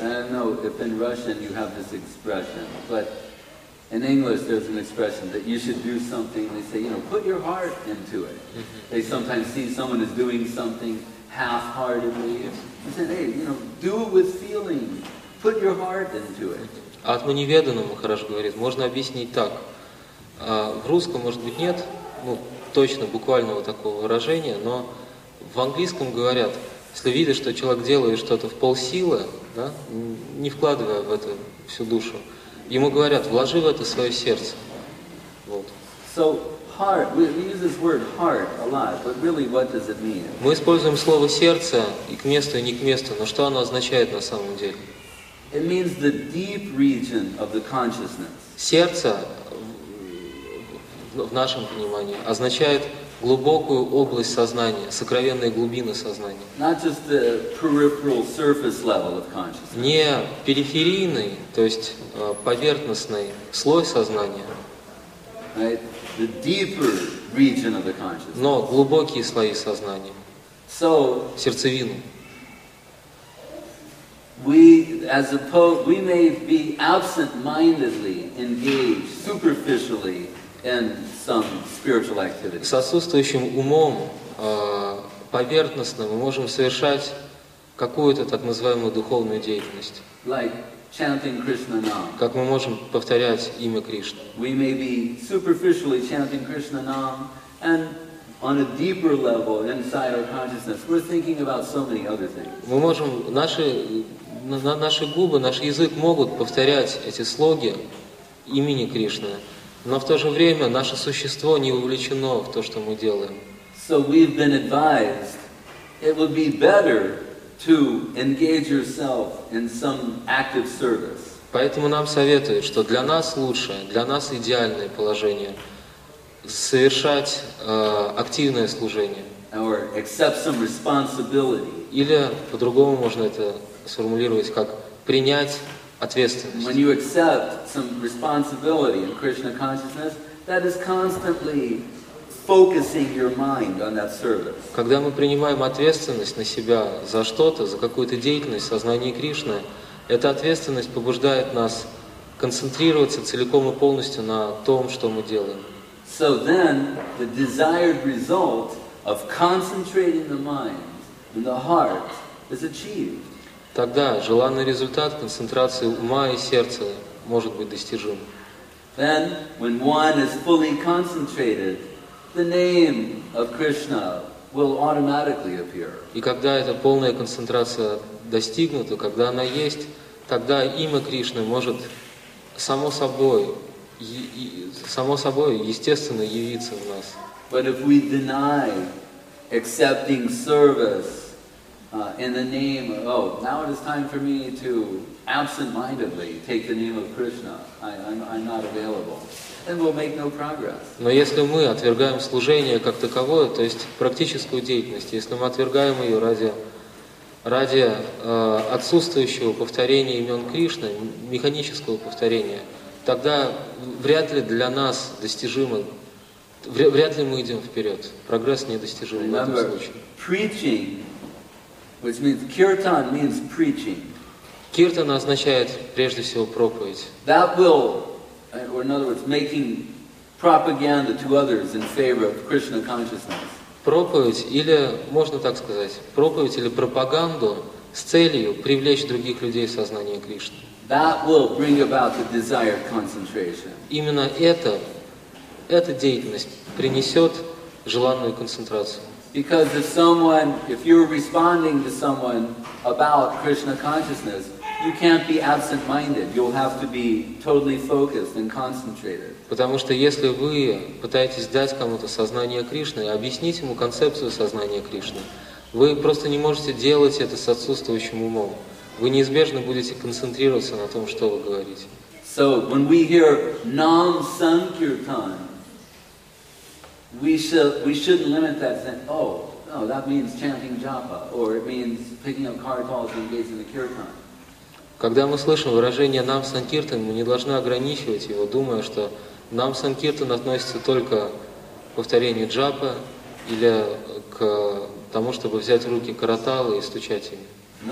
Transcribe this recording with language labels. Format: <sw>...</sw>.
<en>I don't know if in Russian you have this expression, but in English there's an expression that you should do something. They say, put your heart into it. They sometimes see someone is doing something half-heartedly. They say, do it with feeling. Put your heart into it.</en> <ru>Atmani Vedana, Maharaj говорит, можно объяснить так. В русском, может быть, нет. Точно буквального такого выражения, но в английском говорят, если видишь, что человек делает что-то в полсилы, да, не вкладывая в это всю душу, ему говорят, вложи в это свое сердце. Вот.</ru> <en>So, heart, we use this word heart a lot, but really what does it mean?</en> <ru>Мы используем слово сердце и к месту, и не к месту, но что оно означает на самом деле?</ru> <en>It means the deep region of the consciousness.</en> <ru>Сердце в нашем понимании означает глубокую область сознания, сокровенные глубины сознания.</ru> <en>Not just the peripheral surface level of consciousness.</en> <ru>Не периферийный, то есть поверхностный слой сознания.</ru> <en>Right? The deeper region of the consciousness.</en> <ru>Но глубокие слои сознания.</ru> <en>So,</en> <ru>сердцевину.</ru> <en>We, as opposed, we may be absent-mindedly engaged superficially in some spiritual activity.</en> <ru>С отсутствующим умом, поверхностно, мы можем совершать какую-то так называемую духовную деятельность.</ru> <en>Like chanting Krishna Nam.</en> <ru>Как мы можем повторять имя Кришны.</ru> <en>We may be superficially chanting Krishna Nam, and on a deeper level inside our consciousness, we're thinking about so many other things.</en> <ru>Мы можем наши губы, наш язык могут повторять эти слоги имени Кришны, но в то же время наше существо не вовлечено в то, что мы делаем.</ru> <en>So we've been advised, it would be better to engage yourself in some active service.</en> <ru>Поэтому нам советуют, что для нас лучшее, для нас идеальное положение совершать активное служение.</ru> <en>Or accept some responsibility.</en> <ru>Или по-другому можно это сформулировать как принять ответственность.</ru> <en>When you accept some responsibility in Krishna consciousness, that is constantly focusing your mind on that service.</en> <ru>Когда мы принимаем ответственность на себя за что-то, за какую-то деятельность в сознании Кришны, эта ответственность побуждает нас концентрироваться целиком и полностью на том, что мы делаем.</ru> <en>So then the desired result of concentrating the mind and the heart is achieved.</en> <ru>Тогда желанный результат концентрации ума и сердца может быть достижим.</ru> <en>Then, when one is fully concentrated, the name of Krishna will automatically appear.</en> <ru>И когда эта полная концентрация достигнута, когда она есть, тогда имя Кришны может само собой, естественно, явиться в нас.</ru> <en>But if we deny accepting service, in the name of, oh, now it is time for me to absent-mindedly take the name of Krishna. I'm not available. Then we'll make no progress.</en> <ru>Но если мы отвергаем служение как таковое, то есть практическую деятельность, если мы отвергаем ее ради отсутствующего повторения имен Кришны, механического повторения, тогда вряд ли для нас достижимо, вряд ли мы идем вперед. Прогресс недостижим в этом случае.</ru> <en>Preaching. Which means kirtan means preaching.</en> <ru>Kirtan означает прежде всего проповедь.</ru> <en>That will, or in other words, making propaganda to others in favor of Krishna consciousness.</en> <ru>Проповедь или можно так сказать, проповедь или пропаганду с целью привлечь других людей в сознание Кришны.</ru> <en>That will bring about the desired concentration.</en> <ru>Именно эта деятельность принесет желанную концентрацию.</ru> <en>Because if you're responding to someone about Krishna consciousness, you can't be absent-minded. You'll have to be totally focused and concentrated.</en> <ru>Потому что если вы пытаетесь дать кому-то сознание Кришны и объяснить ему концепцию сознания Кришны, вы просто не можете делать это с отсутствующим умом. Вы неизбежно будете концентрироваться на том, что вы говорите.</ru> <en>So when we hear Nam Sankirtan, we shouldn't limit that to saying, that means chanting japa, or it means picking up cartels and engaging in the kirtan.</en> <ru>Когда мы слышим выражение нам санкиртан, мы не должны ограничивать его, думая, что нам санкиртан относится только к повторению джапа или к тому, чтобы взять руки караталы и стучать ими.</ru>